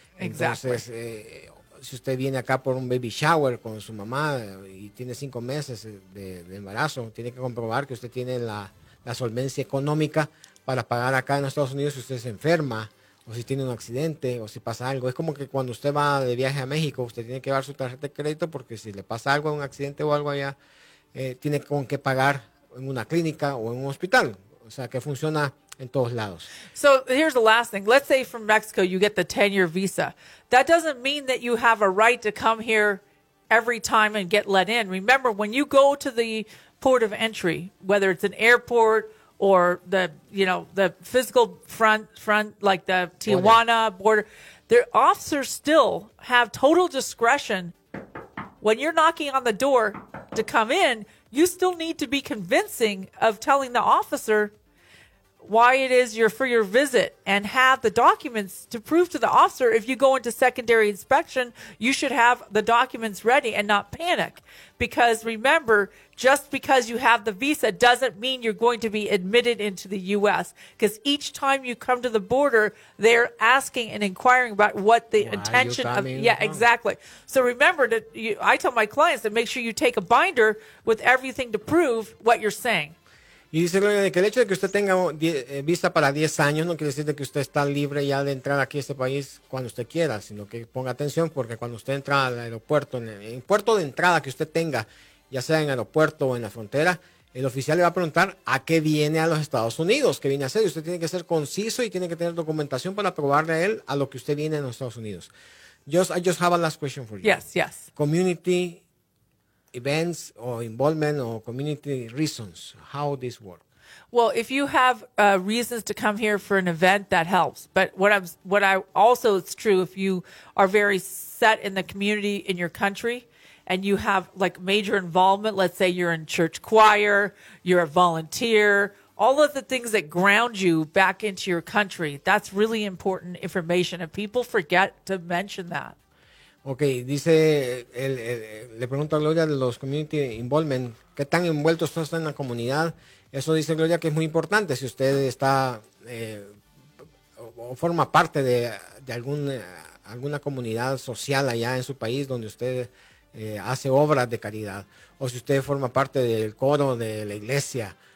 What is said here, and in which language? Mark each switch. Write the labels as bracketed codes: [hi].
[es] Entonces, si usted viene acá por un baby shower con su mamá y tiene 5 meses de embarazo, tiene que comprobar que usted tiene la solvencia económica para pagar acá en Estados Unidos si usted se enferma o si tiene un accidente o si pasa algo. Es como que cuando usted va de viaje a México, usted tiene que llevar su tarjeta de crédito porque si le pasa algo, un accidente o algo allá, tiene con qué pagar en una clínica o en un hospital. O sea, que funciona en todos lados. [en] So here's the last thing. Let's say from Mexico you get the 10-year visa. That doesn't mean that you have a right to come here every time and get let in. Remember, when you go to the port of entry, whether it's an airport or the, you know, the physical front like the Tijuana border, their officers still have total discretion when you're knocking on the door to come in. You still need to be convincing of telling the officer why it is you're for your visit and have the documents to prove to the officer. If you go into secondary inspection, you should have the documents ready and not panic. Because remember, just because you have the visa doesn't mean you're going to be admitted into the U.S. Because each time you come to the border, they're asking and inquiring about what the intention of... Yeah, exactly. So remember, I tell my clients to make sure you take a binder with everything to prove what you're saying. [es] Y dice que el hecho de que usted tenga visa para 10 años no quiere decir que usted está libre ya de entrar aquí a este país cuando usted quiera, sino que ponga atención porque cuando usted entra al aeropuerto, en el puerto de entrada que usted tenga, ya sea en el aeropuerto o en la frontera, el oficial le va a preguntar a qué viene a los Estados Unidos, qué viene a hacer. Y usted tiene que ser conciso y tiene que tener documentación para probarle a él a lo que usted viene a los Estados Unidos. [en] I just have a last question for you. Yes, yes. Community events or involvement or community reasons, how this works? Well, if you have reasons to come here for an event, that helps. But what I also, it's true, if you are very set in the community in your country and you have like major involvement, let's say you're in church choir, you're a volunteer, all of the things that ground you back into your country, that's really important information. And people forget to mention that. [es] Okay, dice, le pregunta a Gloria de los [en] community involvement, [es] ¿qué tan envueltos están en la comunidad? Eso dice Gloria que es muy importante. Si usted está o forma parte de alguna comunidad social allá en su país donde usted hace obras de caridad, o si usted forma parte del coro de la iglesia,